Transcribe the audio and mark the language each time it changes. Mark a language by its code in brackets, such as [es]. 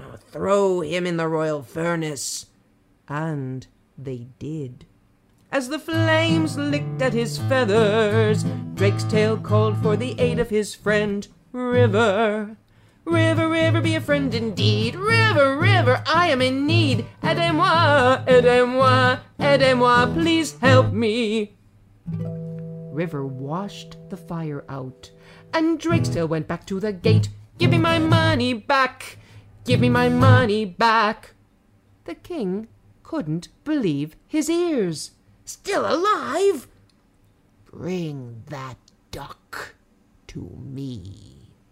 [en] throw him in the royal furnace. And they did. As the flames licked at his feathers, Drakestail called for the aid of his friend, River. River, river, be a friend indeed. River, river, I am in need. [fr] Aidez-moi, aidez-moi, aidez-moi, [en] please help me. River washed the fire out, and Drakestail went back to the gate. Give me my money back. Give me my money back. The king couldn't believe his ears. Still alive? Bring that duck to me.